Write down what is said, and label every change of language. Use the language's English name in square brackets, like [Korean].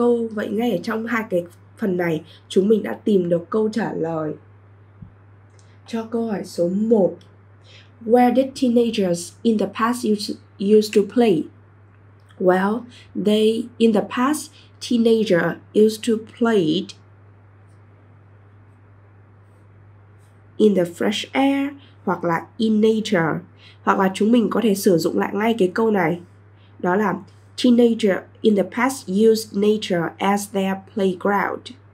[Vietnamese] Vậy ngay ở trong hai cái phần này, chúng mình đã tìm được câu trả lời cho câu hỏi số 1. [English] Where did teenagers in the past used to play? Well, they in the past teenager used to play in the fresh air [Vietnamese] hoặc là [English] in nature. [Vietnamese] Hoặc là chúng mình có thể sử dụng lại ngay cái câu này. Đó là [English] teenager in the past used nature as their playground.